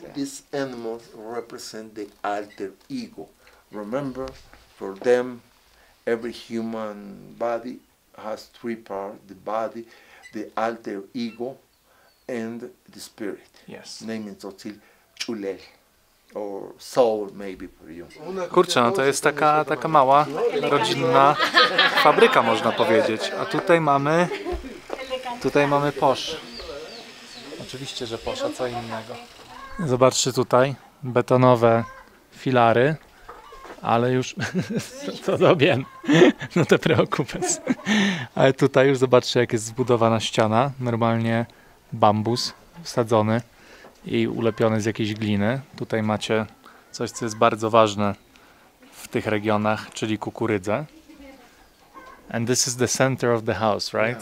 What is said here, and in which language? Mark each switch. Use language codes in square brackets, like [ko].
[en] Yeah. These animals represent the alter ego. Remember, for them, every human body has 3 parts: the body, the alter ego, and the spirit. Yes. Name in Tzotzil, Chulel, or soul maybe for you. [pl] Kurczę, no to jest taka, taka mała, rodzinna fabryka, można powiedzieć. A tutaj mamy posz. Oczywiście, że posz, a co innego. Zobaczcie tutaj, betonowe filary. Ale już, to dobiem, [es] no te preokupes. [pl] Ale tutaj już zobaczcie, jak jest zbudowana ściana. Normalnie bambus wsadzony i ulepiony z jakiejś gliny. Tutaj macie coś, co jest bardzo ważne w tych regionach, czyli kukurydzę. [en] And this is the center of the house, right?